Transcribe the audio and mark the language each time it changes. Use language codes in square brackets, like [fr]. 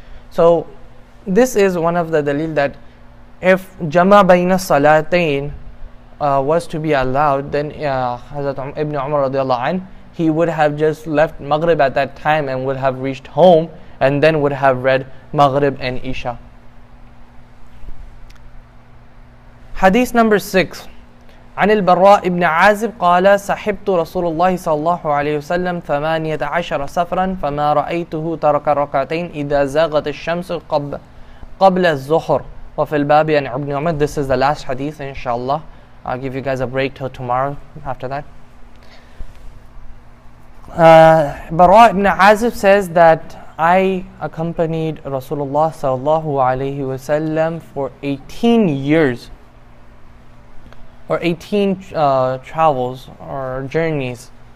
[en] So this is one of the dalil that if jama bayna salatain was to be allowed, then Hazrat Ibn Umar radiallahu anh, he would have just left Maghrib at that time and would have reached home and then would have read Maghrib and Isha. Hadith number 6. [ar] عن البراء بن عازب قال صحبت رسول الله صلى الله عليه وسلم 18 سفرا فما رأيته ترك ركعتين إذا زاغت الشمس قبل الظهر وفي الباب يعني ابن عمر. [en] This is the last hadith, inshallah. I'll give you guys a break till tomorrow after that. براء بن عازب says that I accompanied Rasulullah صلى الله عليه وسلم for 18 years or 18 travels or journeys.